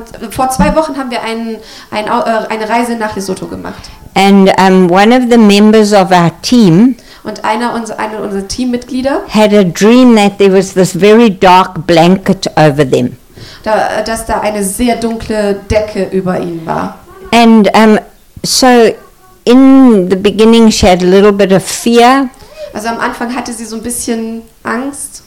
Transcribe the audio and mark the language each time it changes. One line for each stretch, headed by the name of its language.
German: Vor zwei Wochen haben wir eine Reise nach Lesotho gemacht.
English: And one of the members of our team.
German: Und einer unserer Teammitglieder.
English: Had a dream that there was this very dark blanket over them.
German: Dass da eine sehr dunkle Decke über ihn war.
English: And so in the beginning she had a little bit of fear.
German: Also am Anfang hatte sie so ein bisschen Angst.